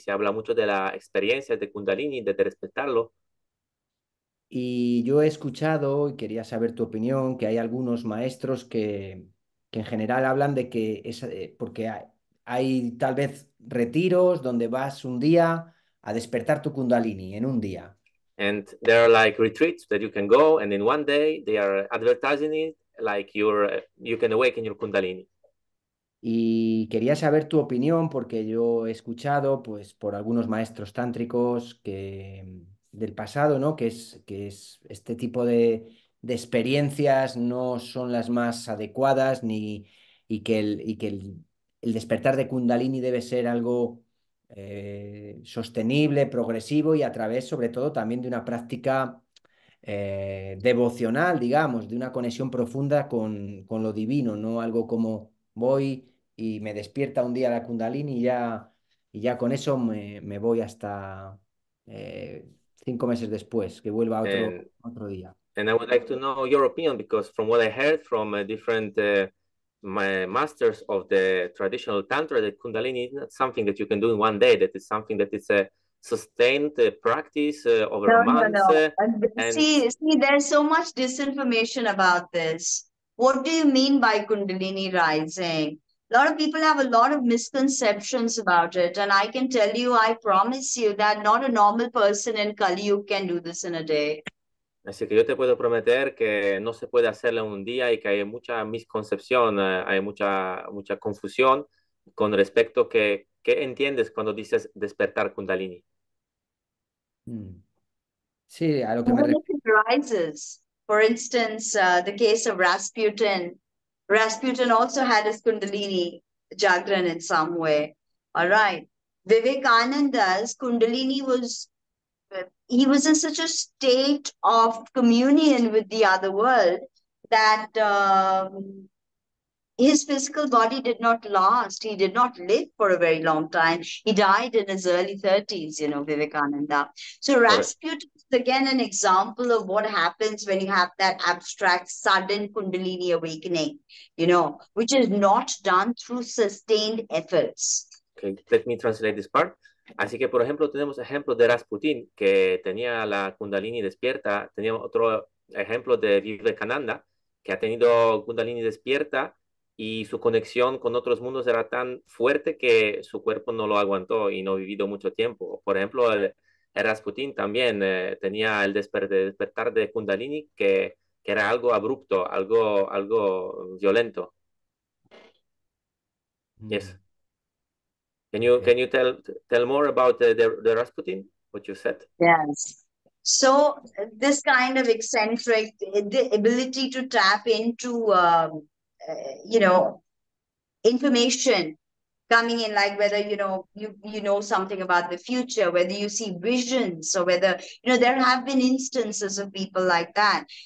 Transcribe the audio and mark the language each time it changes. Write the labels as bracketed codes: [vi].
[es] Se habla mucho de la experiencia de Kundalini, de despertarlo. Y yo he escuchado, y quería saber tu opinión, que hay algunos maestros que en general hablan de que es porque hay tal vez retiros donde vas un día a despertar tu Kundalini en un día. [en] And there are like retreats that you can go, and in one day they are advertising it like you can awaken your Kundalini. [es] Y quería saber tu opinión porque yo he escuchado pues por algunos maestros tántricos que del pasado, ¿no? Que es este tipo de experiencias no son las más adecuadas ni y que el despertar de Kundalini debe ser algo sostenible, progresivo y a través, sobre todo, también de una práctica devocional, digamos, de una conexión profunda con lo divino, no algo como voy y me despierta un día la Kundalini y ya con eso me voy hasta 5 meses después, que vuelva otro día. [en] And I would like to know your opinion, because from what I heard from different my masters of the traditional tantra, that Kundalini is not something that you can do in one day, that is something that is a sustained practice over [es] no, [en] months. See, there's so much disinformation about this. What do you mean by Kundalini rising? A lot of people have a lot of misconceptions about it. And I can tell you, I promise you, that not a normal person in Kali Yuga can do this in a day. [es] Así que yo te puedo prometer que no se puede hacerlo en un día y que hay mucha misconcepción, hay mucha, mucha confusión con respecto a qué entiendes cuando dices despertar Kundalini. Sí, a lo que me refiero. [en] It rises. For instance, the case of Rasputin. Rasputin also had his Kundalini Jagran in some way. All right. Vivekananda's Kundalini was in such a state of communion with the other world that his physical body did not last. He did not live for a very long time. He died in his early 30s, you know, Vivekananda. So Rasputin is again an example of what happens when you have that abstract sudden Kundalini awakening, you know, which is not done through sustained efforts. Okay, let me translate this part. [es] Así que, por ejemplo, tenemos ejemplo de Rasputin, que tenía la Kundalini despierta. Teníamos otro ejemplo de Vivekananda, que ha tenido Kundalini despierta y su conexión con otros mundos era tan fuerte que su cuerpo no lo aguantó y no ha vivido mucho tiempo. Por ejemplo, el Rasputin también tenía el despertar de Kundalini, que era algo abrupto, algo violento. [en] Yes. Can you tell more about the Rasputin, what you said? Yes. So this kind of eccentric, the ability to tap into, you know, information coming in, like whether, you know, you know something about the future, whether you see visions or whether, you know, there have been instances of people like that.